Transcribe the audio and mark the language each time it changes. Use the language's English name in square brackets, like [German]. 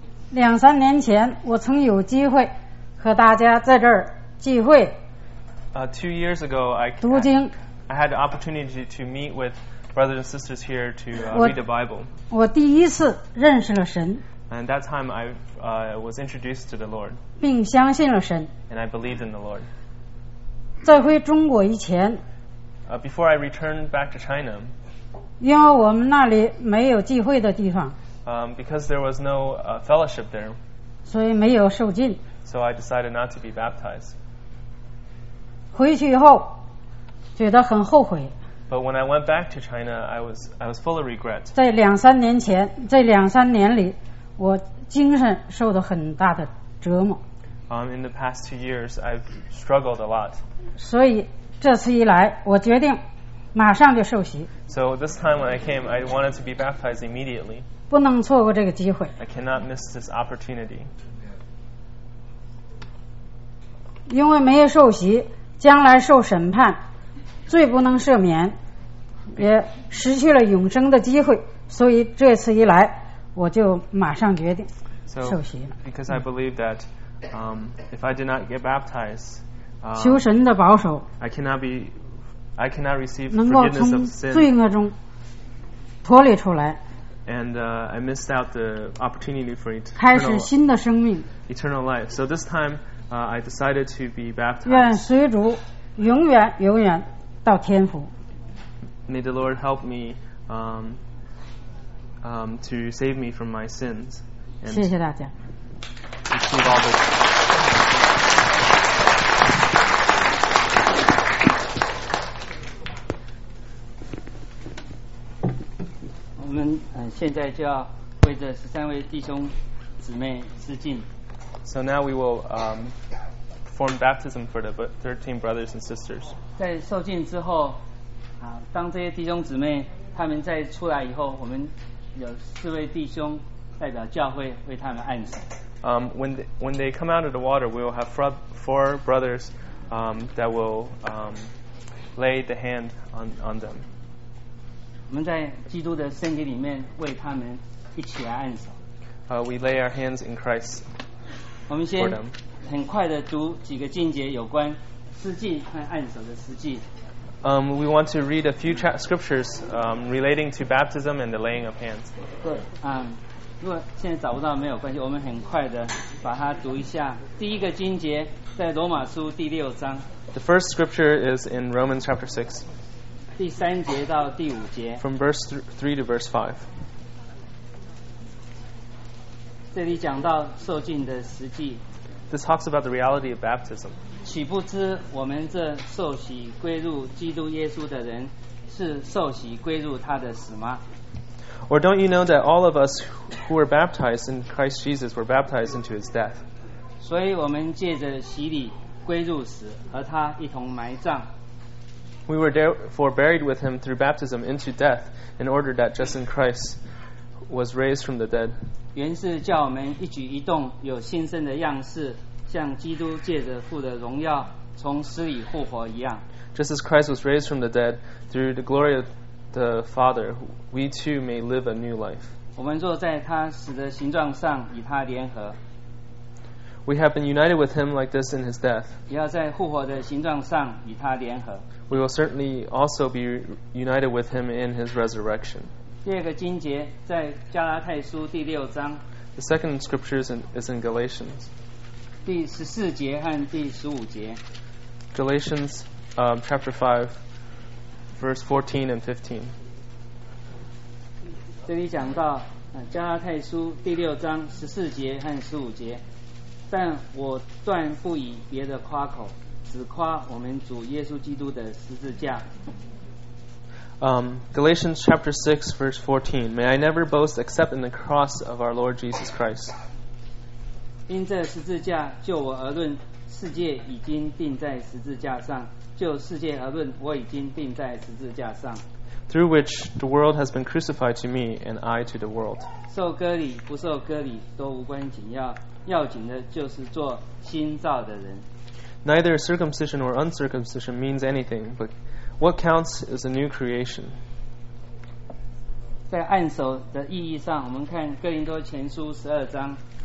[Chinese] 两三年前，我曾有机会和大家在这儿聚会。 [English] Two years ago, I [Chinese] 读经。 [English] I had the opportunity to meet with brothers and sisters here to read the Bible. [Chinese] 我第一次认识了神。 [English] And that time I was introduced to the Lord. [Chinese] 并相信了神。 [English] And I believed in the Lord. [Chinese] 在回中国以前。 [English] Before I returned back to China. [Chinese] 因为我们那里没有聚会的地方。 [English] Because there was no fellowship there. [Chinese] 所以没有受浸。 [English] So I decided not to be baptized. [Chinese] 回去以后，觉得很后悔。 [English] But when I went back to China, I was full of regret. [Chinese] 在两三年前，在两三年里，我精神受到很大的折磨。 [English] In the past two years, I've struggled a lot. [Chinese] 所以这次一来，我决定马上就受洗。 [English] So this time when I came, I wanted to be baptized immediately. [Chinese] 不能错过这个机会。 [English] I cannot miss this opportunity. [Chinese] 因为没有受洗，将来受审判，罪不能赦免，也失去了永生的机会，所以这次一来，我就马上决定受洗了。 [English] So, because I believe that, if I did not get baptized, [Chinese] 求神的保守， [English] I cannot receive forgiveness of sin. [Chinese] 能够从罪恶中脱离出来。 [English] And I missed out the opportunity for eternal life. [Chinese] 开始新的生命。 [English] Eternal life. So this time, I decided to be baptized. [Chinese] 愿随主永远永远。到天父。 [English] May the Lord help me to save me from my sins. [Chinese] 谢谢大家。我们现在就要为这十三位弟兄姊妹致敬。 [English] So now we will perform baptism for the 13 brothers and sisters. [Chinese] 在受浸之后，当这些弟兄姊妹他们再出来以后，我们有四位弟兄代表教会为他们按手。 [English] When they come out of the water, we will have four brothers that will lay the hand on them. [Chinese] 我们在基督的圣经里面为他们一起来按手。 [English] We lay our hands in Christ. [Chinese] 我们先很快的读几个经节有关施浸和按手的实际。 [English] We want to read a few scriptures relating to baptism and the laying of hands. [Chinese] 如果现在找不到没有关系，我们很快的把它读一下。第一个经节在罗马书第六章。 [English] The first scripture is in Romans chapter 6. [Chinese] 第三节到第五节。 [English] From verse 3 to verse 5. [Chinese] 这里讲到受浸的实际。 [English] This talks about the reality of baptism. [Chinese] 岂不知我们这受洗归入基督耶稣的人，是受洗归入他的死吗？ [English] Or don't you know that all of us who were baptized in Christ Jesus were baptized into his death? [Chinese] 所以我们借着洗礼归入死，和他一同埋葬。 [English] We were therefore buried with him through baptism into death, in order that just in Christ was raised from the dead. [Chinese] 原是叫我们一举一动有新生的样式，像基督借着父的荣耀从死里复活一样。 [English] Just as Christ was raised from the dead through the glory of the Father, we too may live a new life. [Chinese] 我们若在他死的形状上与他联合， [English] We have been united with him like this in his death. [Chinese] 也要在复活的形状上与他联合， [English] We will certainly also be united with him in his resurrection. [Chinese] 第二个经节在加拉太书第六章。 [English] The second scripture is in Galatians. [Chinese] 第十四节和第十五节。 [English] Galatians chapter 5, verse 14 and 15. [Chinese] 这里讲到加拉太书第六章十四节和十五节，但我断不以别的夸口，只夸我们主耶稣基督的十字架。 [English] Galatians chapter 6 verse 14. May I never boast except in the cross of our Lord Jesus Christ. [Chinese] 因这十字架，就我而论，世界已经钉在十字架上；就世界而论，我已经钉在十字架上。 [English] Through which the world has been crucified to me, and I to the world. [Chinese] 受割礼不受割礼都无关紧要，要紧的就是做新造的人。 [English] Neither circumcision or uncircumcision means anything, but What counts as a new creation? [Chinese] 在按手的意义上，我们看哥林多前书十二章。